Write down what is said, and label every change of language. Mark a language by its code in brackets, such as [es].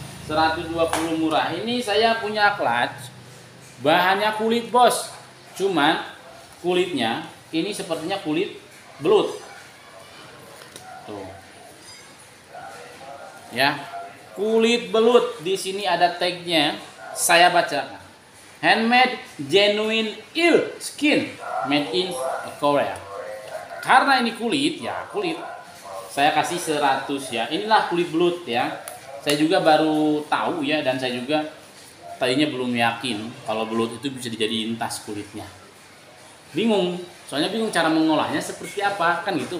[id] 120 murah. Ini saya punya clutch. Bahannya kulit, bos. Cuman kulitnya ini sepertinya kulit belut. Tuh. Ya, kulit belut. Di sini ada tagnya, saya baca. [en] Handmade genuine eel skin made in Korea. [id] Karena ini kulit, ya kulit, saya kasih 100 ya. Inilah kulit belut ya. Saya juga baru tahu ya, dan saya juga tadinya belum yakin kalau belut itu bisa dijadiin tas kulitnya. Bingung, soalnya bingung cara mengolahnya seperti apa, kan gitu.